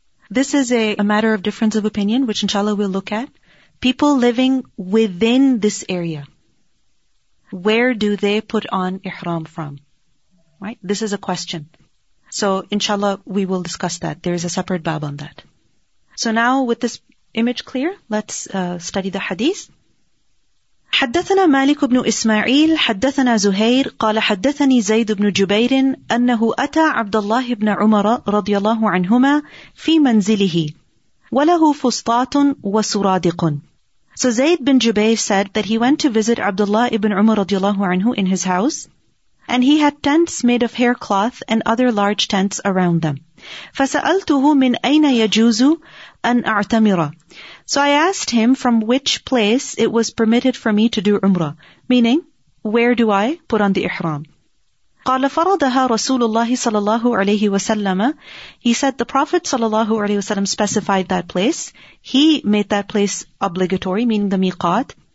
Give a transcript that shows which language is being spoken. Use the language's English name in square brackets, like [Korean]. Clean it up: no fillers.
[English] This is a matter of difference of opinion, which inshallah we'll look at. People living within this area, where do they put on ihram from? Right? This is a question. So inshallah, we will discuss that. There is a separate bab on that. So now with this image clear, let's study the hadith. [Arabic] حدثنا مالك بن إسماعيل حدثنا زهير قال حدثني زيد بن جبير أنه أتى عبد الله بن عمر رضي الله عنهما في منزله وله فسطات وسرادق. [English] So Zayd bin Jubair said that he went to visit Abdullah ibn Umar radiallahu anhu in his house, and he had tents made of hair cloth and other large tents around them. [Arabic] فسألته من أين يجوز أن أعتمر. [English] So I asked him from which place it was permitted for me to do Umrah, meaning, where do I put on the Ihram? [Arabic] قال فرضها رسول الله صلى الله عليه وسلم. [English] He said the Prophet [Arabic] صلى الله عليه وسلم [English] specified that place. He made that place obligatory, meaning the miqat.